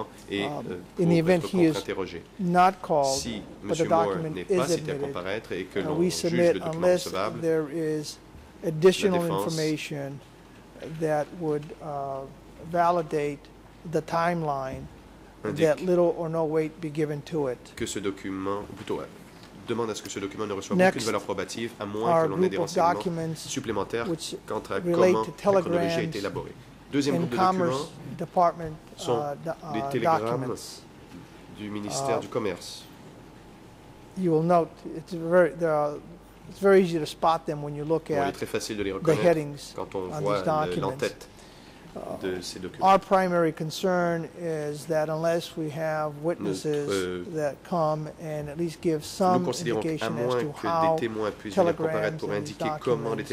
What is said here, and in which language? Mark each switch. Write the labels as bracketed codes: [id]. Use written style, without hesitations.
[en] In the event he is not called, but the document is admitted, and we submit unless there is additional information that would validate the timeline, that little or no weight be given to it. [fr] Que ce document, ou plutôt, demande à ce que ce document ne reçoive aucune valeur probative, à moins que l'on ait des renseignements supplémentaires quant à comment la chronologie a été élaborée. Deuxième groupe de documents sont les télégrammes du ministère du Commerce. [en] You will note it's very easy to spot them when you look at the headings on these documents. Our primary concern is that unless we have witnesses that come and at least give some indication as to how telegrams and these documents